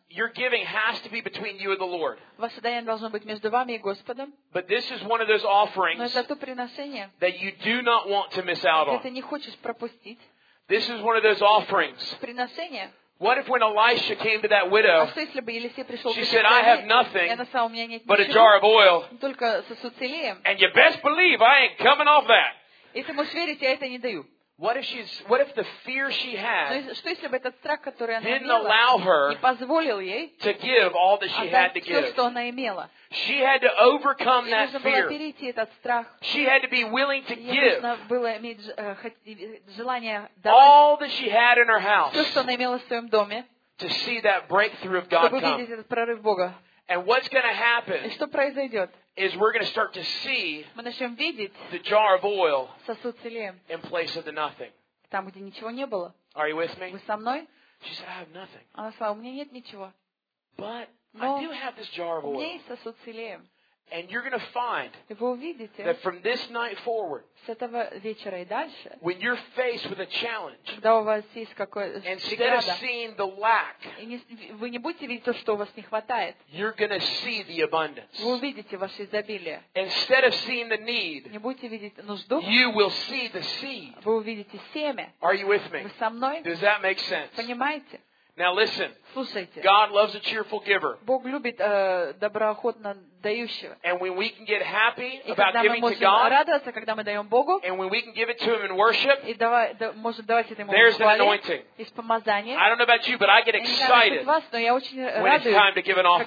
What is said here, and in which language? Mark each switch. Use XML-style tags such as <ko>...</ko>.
<en>your giving has to be between you and the Lord.</en> <ru>Ваше даяние должно быть между вами и Господом.</ru> <en>But this is one of those offerings,</en> <ru>но это то приношение,</ru> <en>that you do not want to miss out on.</en> <ru>Ты не хочешь пропустить.</ru> <en>This is one of those offerings.</en> <ru>Приношение.</ru> <en>What if when Elisha came to that widow,</en> <ru>а что, если бы Елисей пришел</ru> <en>she said, I have nothing</en> <ru>я, самом,</ru> <en>but</en> <ru>ничего,</ru> <en>a jar of oil.</en> <ru>Только сосуд с елеем.</ru> <en>And you best believe I ain't coming off that.</en> <ru>Если можешь верить, я это не даю.</ru> <en>What if the fear she had</en> <ru>что, если бы этот страх, который</ru> <en>didn't</en> <ru>она имела,</ru> <en>allow her</en> <ru>не позволил ей</ru> <en>to give all that she had to</en> <ru>все,</ru> <en>give?</en> <ru>Что она имела.</ru> <en>She had to overcome that fear.</en> <ru>Перейти этот страх.</ru> <en>She had to be willing to</en> <ru>ей</ru> <en>give</en> <ru>было иметь, желание давать</ru> <en>all that she had in her house</en> <ru>все, что она имела в своем доме,</ru> <en>to see that breakthrough of God</en> <ru>чтобы видеть</ru> <en>come.</en> <ru>Этот прорыв Бога.</ru> <en>And what's going to happen</en> <ru>и что произойдет?</ru> <en>Is we're going to start to see</en> <ru>мы начнем видеть</ru> <en>the jar of oil</en> <ru>сосуд с елеем</ru> <en>in place of the nothing.</en> <ru>Там, где ничего не было.</ru> <en>Are you with me?</en> <ru>Вы со мной?</ru> <en>She said, I have nothing.</en> <ru>Она сказала, у меня нет ничего.</ru> <en>But I do have this jar of oil.</en> <ru>У меня есть сосуд с елеем.</ru> <en>And you're going to find that from this night forward,</en> <ru>с этого вечера и дальше,</ru> <en>when you're faced with a challenge,</en> <ru>когда у вас есть какое-то преграда,</ru> <en>instead of seeing the lack,</en> <ru>вы не будете видеть то, что у вас не хватает,</ru> <en>you're going to see the abundance.</en> <ru>Вы увидите ваше изобилие.</ru> <en>Instead of seeing the need,</en> <ru>не будете видеть нужду,</ru> <en>you will see the seed.</en> <ru>Вы увидите семя.</ru> <en>Are you with me?</en> <ru>Вы со мной?</ru> <en>Does that make sense?</en> <ru>Понимаете?</ru> <en>Now listen.</en> <ru>Слушайте.</ru> <en>God loves a cheerful giver.</en> <ru>Бог любит доброохотно дающего.</ru> <en>And when we can get happy</en> <ru>и</ru> <en>about giving to God,</en> <ru>когда мы можем радоваться, когда мы даем Богу,</ru> <en>and when we can give it to Him in worship,</en> <ru>и можем давать это ему в хвале,</ru> <en>there's an anointing.</en> <ru>И с помазанием.</ru> <en>I don't know about you, but I get excited.</en> <ru>Вас, но я очень</ru> <en>when</en> <ru>радуюсь,</ru> <en>it's time to give an offering</en>